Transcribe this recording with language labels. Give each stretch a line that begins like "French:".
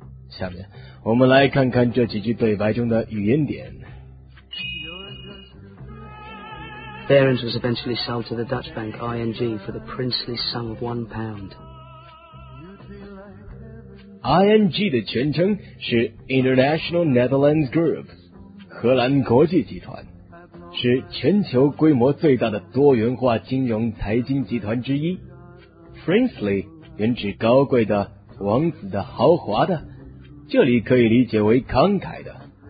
Chinese: 下面我们来看看这几句对白中的语言点。
English: Behrens was eventually sold to the Dutch bank ING for the princely sum of £1.
Chinese: ING 的全称是 International Netherlands Group， 荷兰国际集团，是全球规模最大的多元化金融财经集团之一。 Princely 原指高贵的、王子的、豪华的，这里可以理解为慷慨的。